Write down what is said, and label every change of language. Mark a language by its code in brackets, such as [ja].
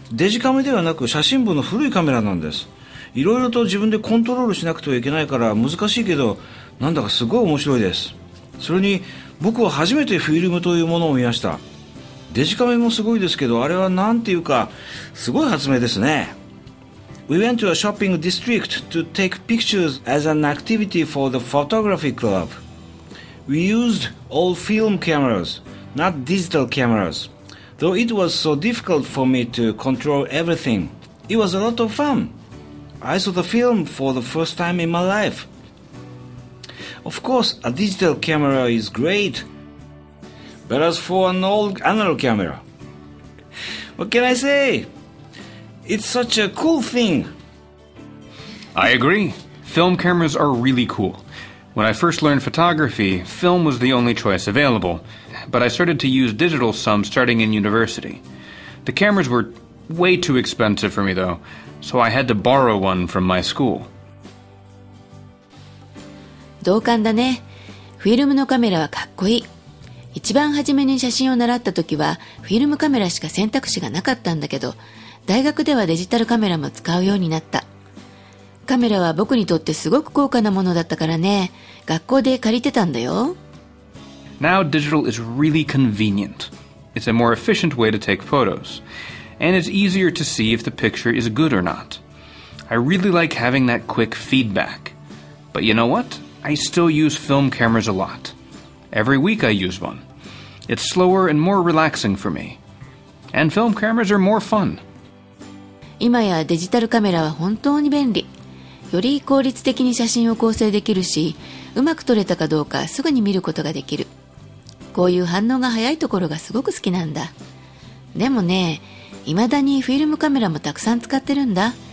[ja] デジカメではなく写真部の古いカメラなんです。いろいろと自分でコントロールしなくてはいけないから難しいけど、なんだかすごい面白いです。それに僕は初めてフィルムというものを見ました。デジカメもすごいですけど、あれはなんていうかすごい発明ですね。 [en] We went to a shopping district to take pictures as an activity for the photography club. We used old film camerasNot digital cameras. Though it was so difficult for me to control everything, it was a lot of fun. I saw the film for the first time in my life. Of course, a digital camera is great. But as for an old analog camera, what can I say? It's such a cool thing. I agree. Film cameras are really cool. When I first learned photography, film was the only choice available. But I started to use digital some starting in university. The cameras were way too expensive for me though, so I had to borrow one from my school. [ja] 同感だね。フィルムのカメラはかっこいい。一番初めに写真を習った時はフィルムカメラしか選択肢がなかったんだけど、大学ではデジタルカメラも使うようになった。カメラは僕にとってすごく高価なものだったからね。学校で借りてたんだよ。 [en] Now digital is really convenient. It's a more efficient way to take photos. And it's easier to see if the picture is good or not. I really like having that quick feedback. But you know what? I still use film cameras a lot. Every week I use one. It's slower and more relaxing for me. And film cameras are more fun. [ja] 今やデジタルカメラは本当に便利。より効率的に写真を構成できるし、うまく撮れたかどうかすぐに見ることができる。こういう反応が早いところがすごく好きなんだ。でもね、いまだにフィルムカメラもたくさん使ってるんだ。